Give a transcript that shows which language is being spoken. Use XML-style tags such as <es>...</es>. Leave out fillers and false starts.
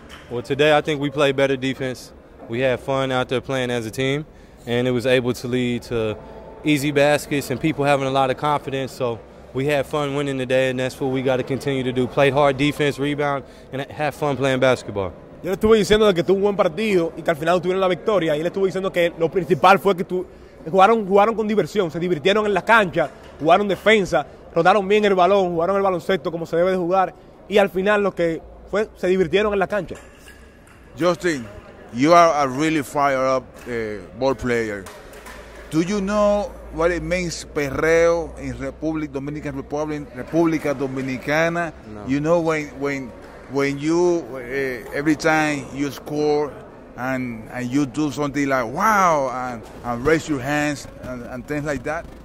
<en>Well, today I think we played better defense. We had fun out there playing as a team, and it was able to lead to easy baskets and people having a lot of confidence. So we had fun winning today, and that's what we got to continue to do. Play hard defense, rebound, and have fun playing basketball.</en> <es>Yo le estuve diciendo que tuvo un buen partido y que al final tuvieron la victoria. Y le estuve diciendo que lo principal fue que jugaron con diversión, se divirtieron en la cancha, jugaron defensa, rodaron bien el balón, jugaron el baloncesto como se debe de jugar. Y al final lo que fue, se divirtieron en la cancha.</es> <en>Justin, you are a really fired up ball player. Do you know what it means, perreo, in Republic Dominicana? No. You know when you, every time you score and you do something like, wow, and raise your hands and things like that?</en>